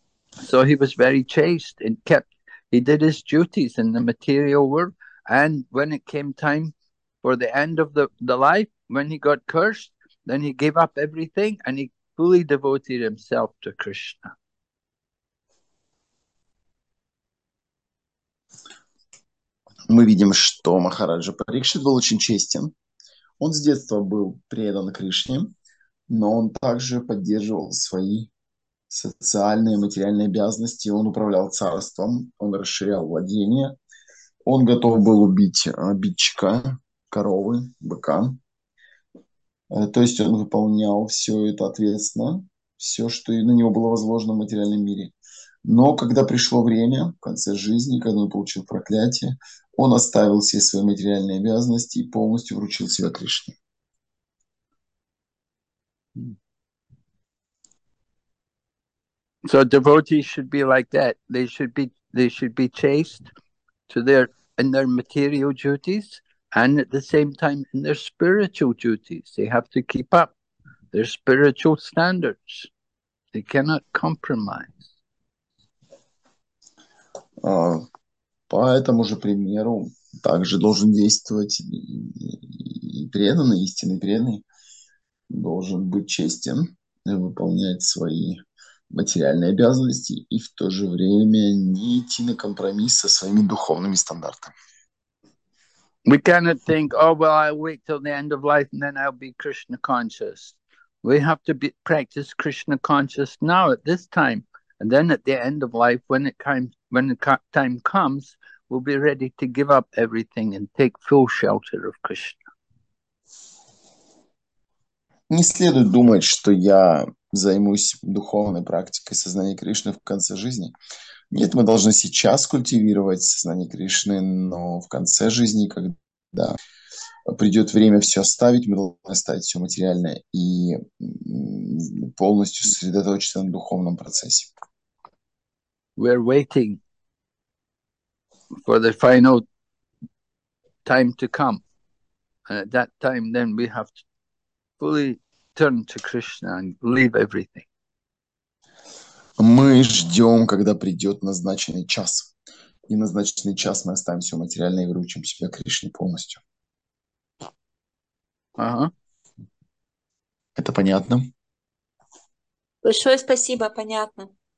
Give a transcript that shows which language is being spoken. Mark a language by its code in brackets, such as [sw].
[en] So he was very chaste and kept, he did his duties in the material world. And when it came time for the end of the life, when he got cursed, then he gave up everything and he fully devoted himself to Krishna. [ru] Мы видим, что Махараджа Парикшит был очень честен. Он с детства был предан Кришне, но он также поддерживал свои социальные и материальные обязанности. Он управлял царством, он расширял владения. Он готов был убить обидчика, коровы, быка. То есть он выполнял все это ответственно, все, что на него было возложено в материальном мире. Но когда пришло время, в конце жизни, когда он получил проклятие, он оставил все свои материальные обязанности и полностью вручил себя Кришне. [en] So devotees should be like that. They should be chaste to their in their material duties and at the same time in their spiritual duties. They have to keep up their spiritual standards. They cannot compromise. [ru] По этому же примеру также должен действовать и преданный, истинный преданный должен быть честен, выполнять свои материальные обязанности и в то же время не идти на компромисс со своими духовными стандартами. [en] We cannot think, oh, well, I'll wait till the end of life and then I'll be Krishna conscious. We have to be, practice Krishna conscious now at this time. And then at the end of life, when the time comes, we'll be ready to give up everything and take full shelter of Krishna. [ru] Не следует думать, что я займусь духовной практикой сознания Кришны в конце жизни. Нет, мы должны сейчас культивировать сознание Кришны, но в конце жизни, когда придет время все оставить, мы должны оставить все материальное и полностью сосредоточиться на духовном процессе. [en] We are waiting for the final time to come. And at that time, then we have to fully turn to Krishna and leave everything. [ru] Мы ждем, когда придет назначенный час. И назначенный час мы оставим все материальное и вручим себя Кришне полностью. Ага. Это понятно? Большое спасибо, понятно.